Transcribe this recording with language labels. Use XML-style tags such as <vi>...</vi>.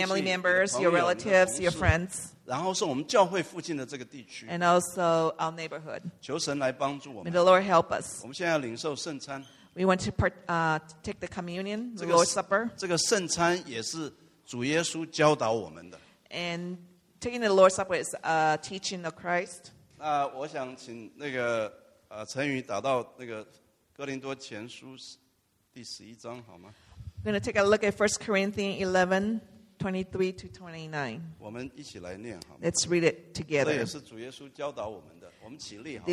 <en>your family members, your relatives, your friends.</en> <zh>然后是我们教会附近的这个地区。</zh> <en>And also our neighborhood.</en> <zh>求神来帮助我们。</zh> <en>May the Lord help us.</en> <zh>我们现在要领受圣餐。</zh> <en>We want to take the communion, the Lord's Supper.</en> <zh>这个圣餐也是主耶稣教导我们的。</zh> <en>And taking the Lord's Supper is a teaching of Christ.</en> <zh>那我想请那个陈宇打到那个哥林多前书第11章好吗？</zh> <en>We're going to take a look at 1 Corinthians 11, 23 to 29.</en> <zh>我们一起来念好吗？</zh> <en>Let's read it together.</en> <zh>这也是主耶稣教导我们的，我们起立好吗？</zh>